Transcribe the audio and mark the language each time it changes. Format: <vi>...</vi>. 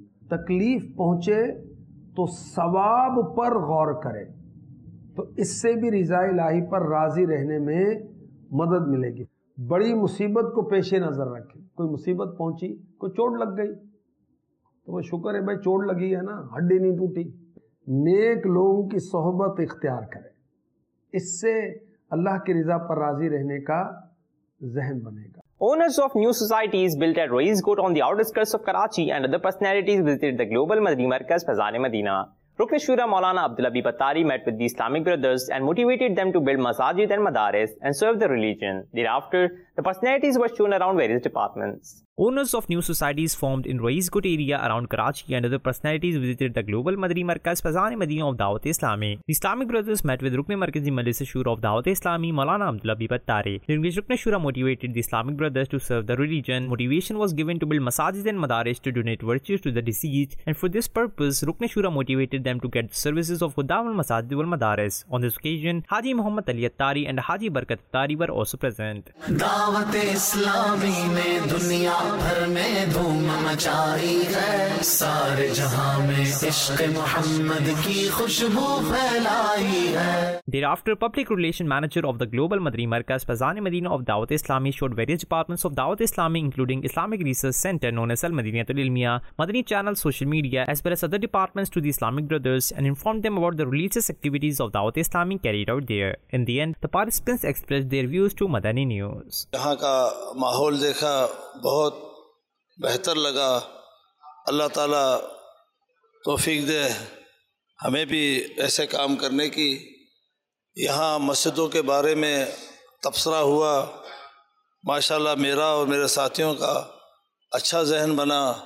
<ur>تکلیف پہنچے تو ثواب پر غور کرے تو اس سے بھی رضا الہی پر راضی رہنے میں مدد ملے گی۔ بڑی مصیبت کو پیش نظر رکھے، کوئی مصیبت پہنچی، کوئی چوٹ لگ گئی تو وہ شکر ہے بھائی چوٹ لگی ہے نا، ہڈی نہیں ٹوٹی۔ نیک لوگوں کی صحبت اختیار کرے، اس سے اللہ کی رضا پر راضی رہنے کا ذہن بنے گا۔</ur> <en>Owners of new societies built at Rais Court on the outskirts of Karachi and other personalities visited the Global Madani Markaz Fazan e Madina. Rukn Shura Maulana Abdulabi Battari met with the Islamic Brothers and motivated them to build masajid and madaris and serve the religion. Thereafter, the personalities were shown around various departments. Owners of new societies formed in Rais Court area around Karachi and other personalities visited the Global Madani Markaz Fazan e Madina of Dawat e Islami. The Islamic Brothers met with Rukn Markazi Majlis e Shura of Dawat e Islami Maulana Abdulabi Battari. During which Rukn Shura motivated the Islamic Brothers to serve the religion. Motivation was given to build masajid and madaris to donate virtues to the deceased, and for this purpose Rukn Shura motivated them to get the services of Khudawan Masajid wal Madaris. On this occasion, Haji Muhammad Ali Attari and Haji Barkat Attari were also present.</en> <ur>دعوت اسلامی نے دنیا بھر میں دھوم مچائی ہے، سارے جہاں میں عشق محمد کی خوشبو پھیلائی ہے۔</ur> <en>Thereafter, Public Relation Manager of the Global Madani Markaz Fazan e Madina of Dawat Islami showed various departments of Dawat Islami including Islamic Research Center known as Al Madinatul Ilmiya, Madani Channel, Social Media as well as other departments to the Islamic Brothers and informed them about the religious activities of Dawat Islami carried out there. In the end, the participants expressed their views to Madani News.</en> <ur>یہاں کا ماحول دیکھا بہت بہتر لگا، اللہ تعالیٰ توفیق دے ہمیں بھی ایسے کام کرنے کی۔ یہاں مسجدوں کے بارے میں تبصرہ ہوا، ماشاءاللہ میرا اور میرے ساتھیوں کا اچھا ذہن بنا۔</ur>